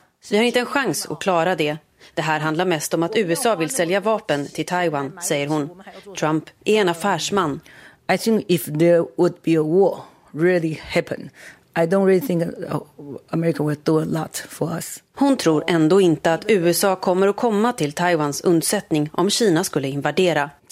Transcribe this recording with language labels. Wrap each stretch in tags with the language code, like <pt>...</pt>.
<sv>Vi har inte en chans att klara det. Det här handlar mest om att USA vill sälja vapen till Taiwan, säger hon. Trump är en affärsman.</sv> <en>I think if there would be a war really happen, I don't really think America would do a lot for us.</en> <sv>Hon tror ändå inte att USA kommer att komma till Taiwans undsättning om Kina skulle invadera.</sv>